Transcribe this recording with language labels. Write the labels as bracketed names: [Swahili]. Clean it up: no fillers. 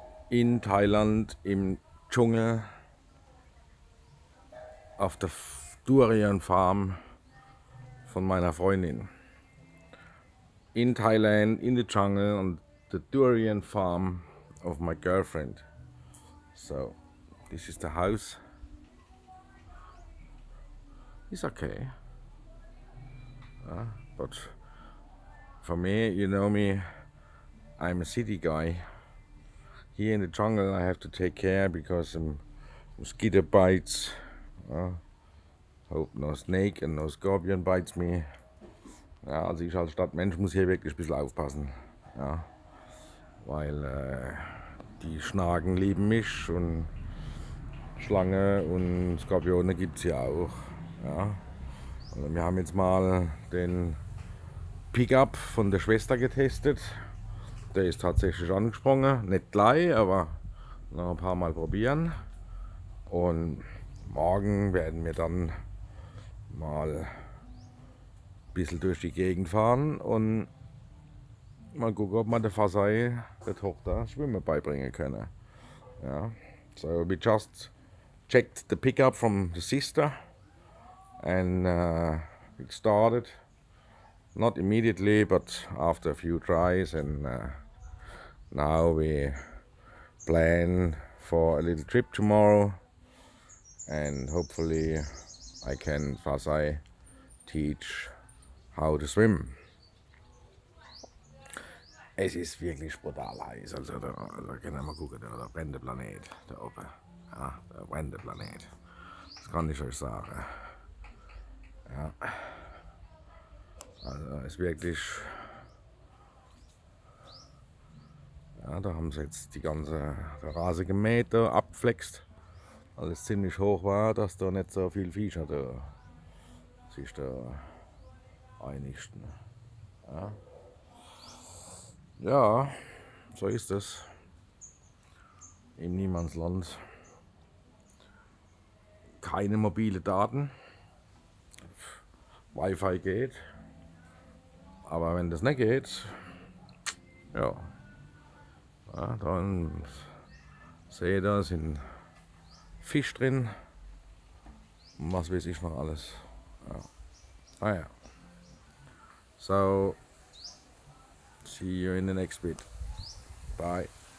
[German] In Thailand, im Dschungel, auf der Durian-Farm von meiner Freundin. [English] In Thailand, in the jungle, on the Durian-Farm of my girlfriend. So, this is the house. It's okay. But for me, you know me, I'm a city guy. Here in the jungle I have to take care because mosquito bites. Hope no snake and no scorpion bites me. [German] Ja, also ich als Stadtmensch muss hier wirklich ein bisschen aufpassen. Ja, weil die Schnaken lieben mich und Schlange und Skorpione gibt es hier auch. Ja. Also wir haben jetzt mal den Pickup von der Schwester getestet. Der ist tatsächlich angesprungen. Nicht gleich, aber noch ein paar Mal probieren. Und morgen werden wir dann mal ein bisschen durch die Gegend fahren und mal gucken, ob wir der Fasai, der Tochter, Schwimmen beibringen können. Ja. [English] So, we just checked the pickup from the sister. And it started, not immediately, but after a few tries, and now we plan for a little trip tomorrow, and hopefully I can Fasai teach how to swim. [German] Es ist wirklich brutal heiß, also da können wir mal gucken, da brennt der Planet, da oben, ja, da brennt der Planet, das kann ich euch sagen. Ja, also ist wirklich, ja, da haben sie jetzt die ganze Rase gemäht, abgeflext, alles ziemlich hoch war, dass da nicht so viel Viecher da sich da einigten. Ja. Ja, so ist es im Niemandsland. Keine mobile Daten. Wi-Fi geht, aber wenn das nicht geht, ja, ja, dann sehe ich, da sind Fisch drin, was weiß ich noch alles. Ja. [English] Ah ja, so, see you in the next bit, bye.